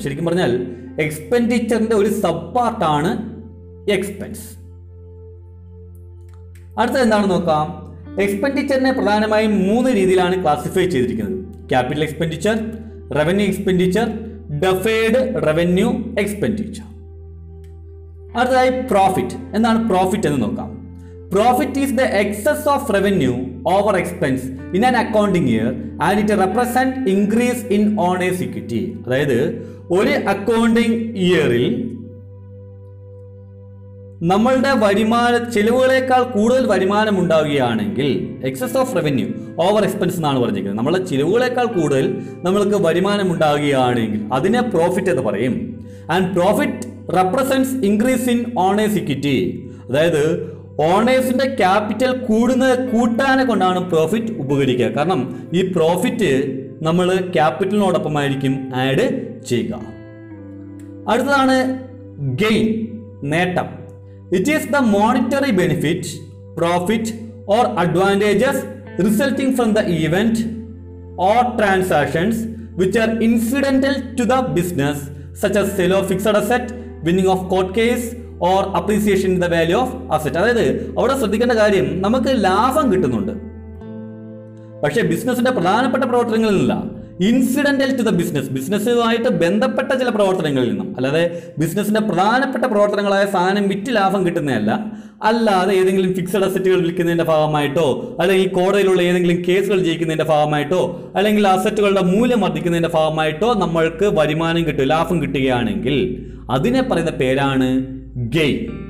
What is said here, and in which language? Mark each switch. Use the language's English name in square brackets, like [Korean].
[Malayalam] ശരിക്കും പറഞ്ഞാൽ എക്സ്പെൻഡിച്ചറിൻ്റെ ഒരു സബ് പാർട്ടാണ് എക്സ്പെൻസ്. അടുത്തത് എന്താണെന്ന് നോക്കാം. എക്സ്പെൻഡിച്ചറിനെ പ്രധാനമായും മൂന്ന് രീതിയിലാണ് ക്ലാസിഫൈ ചെയ്തിരിക്കുന്നത്. Capital expenditure, revenue expenditure, deferred revenue expenditure. അടുത്തതായി പ്രോഫിറ്റ്. എന്താണ് പ്രോഫിറ്റ് എന്ന് നോക്കാം. [English] Profit is the excess of revenue over expense in an accounting year and it represent increase in owner's equity. [Malayalam] അതായത് ഒരു അക്കൗണ്ടിങ് ഇയറിൽ നമ്മളുടെ വരുമാന ചിലവുകളേക്കാൾ കൂടുതൽ വരുമാനം ഉണ്ടാവുകയാണെങ്കിൽ, [English] excess of revenue over expense [Malayalam] എന്നാണ് പറഞ്ഞിരിക്കുന്നത്, നമ്മളുടെ ചിലവുകളേക്കാൾ കൂടുതൽ നമ്മൾക്ക് വരുമാനം ഉണ്ടാവുകയാണെങ്കിൽ അതിനെ പ്രോഫിറ്റ് എന്ന് പറയും. [English] And profit represents increase in owners equity. [Malayalam] അതായത് ഓണേഴ്സിൻ്റെ ക്യാപിറ്റൽ കൂടുന്നത് കൂട്ടാനെ കൊണ്ടാണ് പ്രോഫിറ്റ് ഉപകരിക്കുക. കാരണം ഈ പ്രോഫിറ്റ് നമ്മൾ ക്യാപിറ്റലിനോടൊപ്പമായിരിക്കും ആഡ് ചെയ്യുക. അടുത്തതാണ് ഗെയിൻ, നേട്ടം. [English] It is the monetary benefit, profit or advantages resulting from the event or transactions which are incidental to the business, such as sale of fixed asset, winning of court case, or appreciation in the value of asset. [Malayalam] അതായത് അവിടെ ശ്രദ്ധിക്കേണ്ട കാര്യം നമുക്ക് ലാഭം കിട്ടുന്നുണ്ട്, പക്ഷേ ബിസിനസിന്റെ പ്രധാനപ്പെട്ട പ്രവർത്തനങ്ങളിൽ നിന്നല്ല. [English] incidental to the business, [Malayalam] ബിസിനസ്സുമായിട്ട് ബന്ധപ്പെട്ട ചില പ്രവർത്തനങ്ങളിൽ നിന്നും, അല്ലാതെ ബിസിനസിന്റെ പ്രധാനപ്പെട്ട പ്രവർത്തനങ്ങളായ സാധനം വിറ്റ് ലാഭം കിട്ടുന്നതല്ല. അല്ലാതെ ഏതെങ്കിലും ഫിക്സഡ് അസറ്റുകൾ വിൽക്കുന്നതിന്റെ ഭാഗമായിട്ടോ, അല്ലെങ്കിൽ കോടതിയിലുള്ള ഏതെങ്കിലും കേസുകൾ ജയിക്കുന്നതിന്റെ ഭാഗമായിട്ടോ, അല്ലെങ്കിൽ അസറ്റുകളുടെ മൂല്യം വർദ്ധിക്കുന്നതിന്റെ ഭാഗമായിട്ടോ നമ്മൾക്ക് വരുമാനം കിട്ടും, ലാഭം കിട്ടുകയാണെങ്കിൽ അതിനെ പറയുന്ന പേരാണ് ഗെയിൻ.